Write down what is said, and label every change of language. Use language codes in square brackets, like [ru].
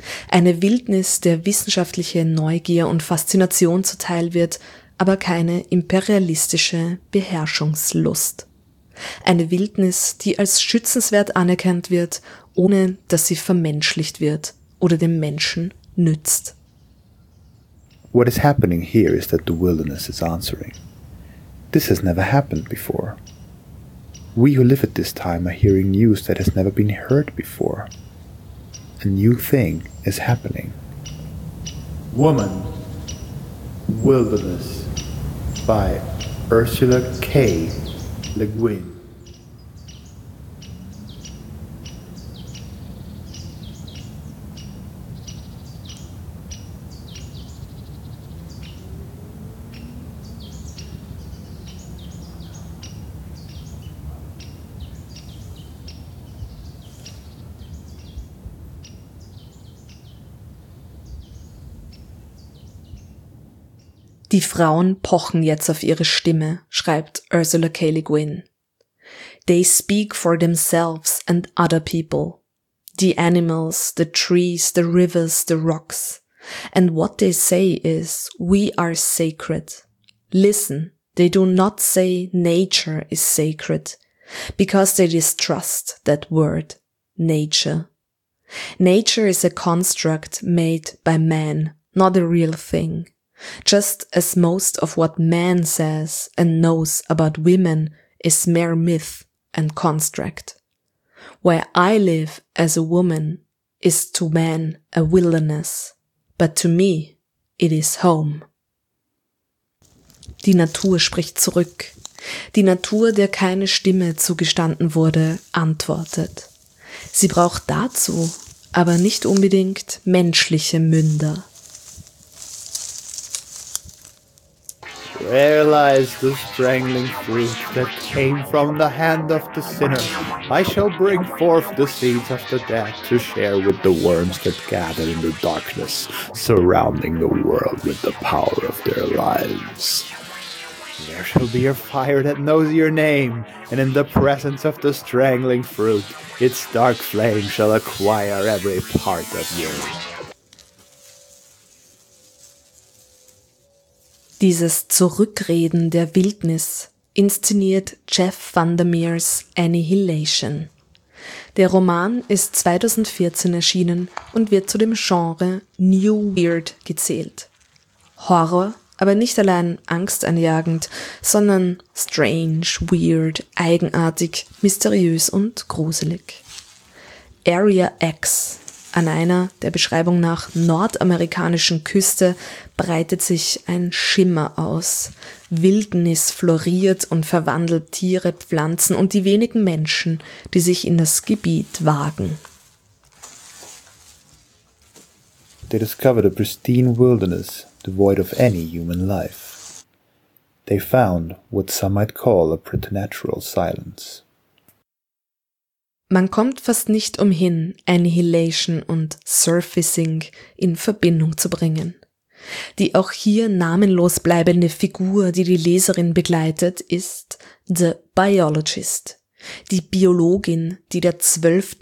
[de] Eine Wildnis, der wissenschaftliche Neugier und Faszination zuteil wird, aber keine imperialistische Beherrschungslust. Eine Wildnis, die als schützenswert anerkannt wird, ohne dass sie vermenschlicht wird oder dem Menschen nützt. [en] What is happening here is that the wilderness is answering. This has never happened before. We who live at this time are hearing news that has never been heard before. A new thing is happening. Woman, Wilderness by Ursula K. Le Guin. Die Frauen pochen jetzt auf ihre Stimme, schreibt Ursula K. Le Guin. They speak for themselves and other people. The animals, the trees, the rivers, the rocks. And what they say is, we are sacred. Listen, they do not say nature is sacred, because they distrust that word, nature. Nature is a construct made by man, not a real thing. Just as most of what man says and knows about women is mere myth and construct. Where I live as a woman is to man a wilderness, but to me it is home. [de] Die Natur spricht zurück. Die Natur, der keine Stimme zugestanden wurde, antwortet. Sie braucht dazu aber nicht unbedingt menschliche Münder. [en] Where lies the strangling fruit that came from the hand of the sinner? I shall bring forth the seeds of the dead to share with the worms that gather in the darkness, surrounding the world with the power of their lives. There shall be a fire that knows your name, and in the presence of the strangling fruit, its dark flame shall acquire every part of you. [de] Dieses Zurückreden der Wildnis inszeniert Jeff Vandermeer's Annihilation. Der Roman ist 2014 erschienen und wird zu dem Genre New Weird gezählt. Horror, aber nicht allein angsteinjagend, sondern [en] strange, weird, [de] eigenartig, mysteriös und gruselig. Area X. An einer, der Beschreibung nach, nordamerikanischen Küste breitet sich ein Schimmer aus. Wildnis floriert und verwandelt Tiere, Pflanzen und die wenigen Menschen, die sich in das Gebiet wagen. [en] They discovered a pristine wilderness, devoid of any human life. They found what some might call a preternatural silence. [de] Man kommt fast nicht umhin, Annihilation und Surfacing in Verbindung zu bringen. Die auch hier namenlos bleibende Figur, die die Leserin begleitet, ist [en] The Biologist, [de] die Biologin, die der 12.